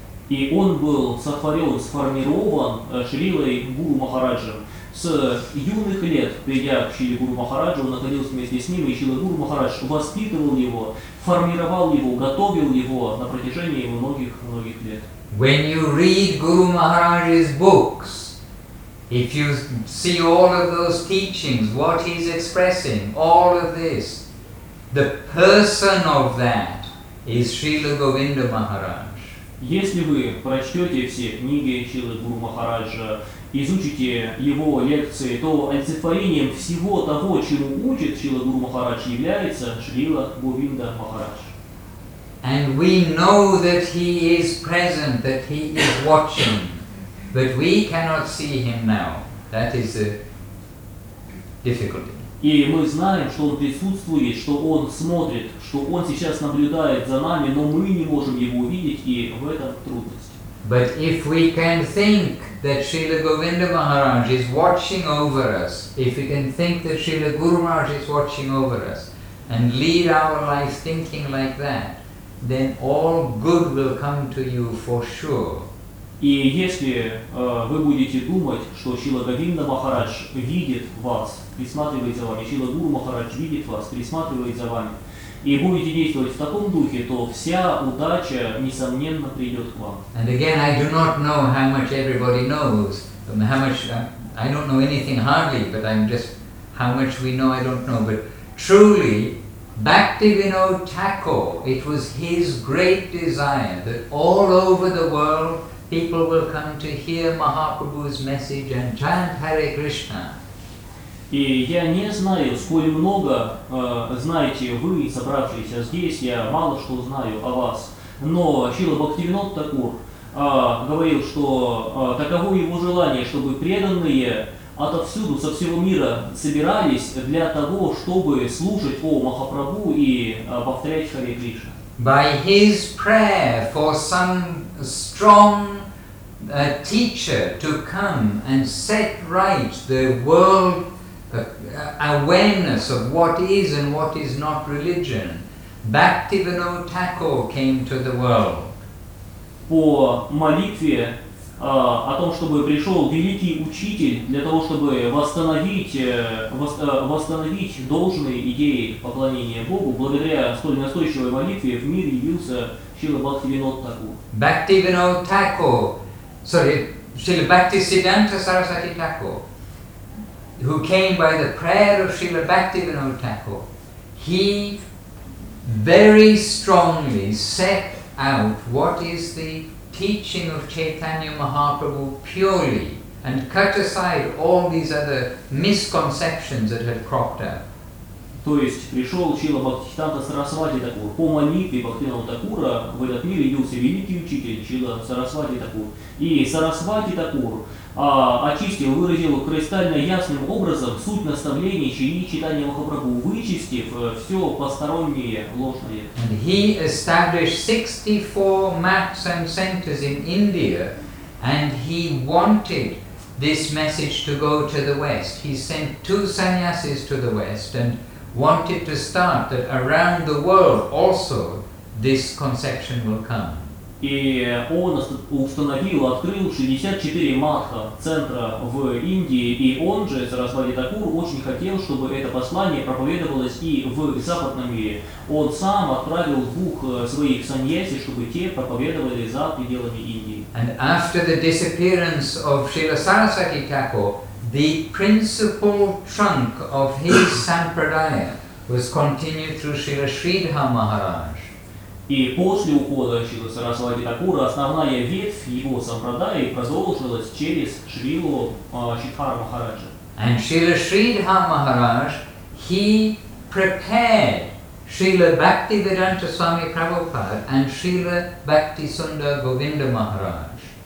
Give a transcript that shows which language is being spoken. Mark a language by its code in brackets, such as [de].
[ru] И он был сотворен, сформирован Шрилой Гуру Махараджем с юных лет, придя к Шри Гуру Махараджу, он находился вместе с ним, и Шри Гуру Махарадж воспитывал его, формировал его, готовил его на протяжении многих-многих лет. [en] When you read Guru Maharaj's books, if you see all of those teachings, what he's expressing, all of this, the person of that is Srila Govinda Maharaj. [ru] Если вы прочтете все книги Шрилы Гуру Махараджа, изучите его лекции, то олицетворением всего того, чему учит Шрила Гуру Махарадж, является Шрила Говинда Махарадж. [en] And we know that he is present, that he is watching, but we cannot see him now. That is a difficulty. [ru] И мы знаем, что он присутствует, что он смотрит, что он сейчас наблюдает за нами, но мы не можем его увидеть, и в этом трудность. [en] But if we can think that Srila Govinda Maharaj is watching over us, if we can think that Srila Guru Maharaj is watching over us, and lead our lives thinking like that, then all good will come to you for sure. [ru] И если вы будете думать, что Шрила Говинда Махарадж видит вас, присматривает за вами, Шрила Гуру Махарадж видит вас, присматривает за вами, и будете действовать в таком духе, то вся удача, несомненно, придет к вам. [en] And again, I do not know how much everybody knows, how much, I don't know anything hardly, but I'm just, how much we know, I don't know, but truly, Bhaktivinoda Thakur, it was his great desire that all over the world people will come to hear Mahaprabhu's message and chant Hare Krishna. [ru] И я не знаю, сколь много знаете вы, собравшиеся здесь, я мало что знаю о вас, но Шрила Бхактивинода Такур говорил, что таково его желание, чтобы преданные отовсюду, со всего мира собирались для того, чтобы слушать о Махапрабху и повторять Харе Кришна. [en] By his prayer for some strong teacher to come and set right the world awareness of what is and what is not religion, Bhaktivinoda Thakur came to the world. [ru] По молитве о том, чтобы пришел великий учитель для того, чтобы восстановить должные идеи поклонения Богу, благодаря столь настойчивой молитве в мир явился Шрила Бхактивинода Такур. [en] Бхактивинода Такур, sorry, Шрила Бхактисиддханта Сарасвати Такур, who came by the prayer of Шрила Бхактивинода Такур, he very strongly set out what is the teaching of Chaitanya Mahaprabhu purely and cut aside all these other misconceptions that had cropped up. [ru] То есть пришел Шрила Бхактисиддханта Сарасвати Такур. По молитве Бхактивинода Такура в этот мир явился великий учитель Шрила Сарасвати Такур. И Сарасвати Такур очистил, выразил кристально ясным образом суть наставлений Шри Чайтанья Махапрабху, вычистив все посторонние ложные. [en] And he established 64 maths and centers in India, and he wanted this message to go to the West. He sent two sannyasis to the West and wanted to start that around the world also this conception will come. [ru] И он установил, открыл 64 матха центра в Индии, и он же, Сарасвати Такур, очень хотел, чтобы это послание проповедовалось и в западном мире. Он сам отправил двух своих саньяси, чтобы те проповедовали за пределами Индии. [en] And after the disappearance of Srila Sarasvati Thakur, the principal trunk of his sampradaya was continued through Srila Sridhar Maharaj. [ru] И после ухода Шрилы Сарасвати Такура основная ветвь его сампрадаи продолжилась через Шрилу Шридхара Махараджа. [en] And Srila Sridhar Maharaj, he prepared Srila Bhaktivedanta Swami Prabhupada and Srila Bhaktisundara Govinda Maharaj.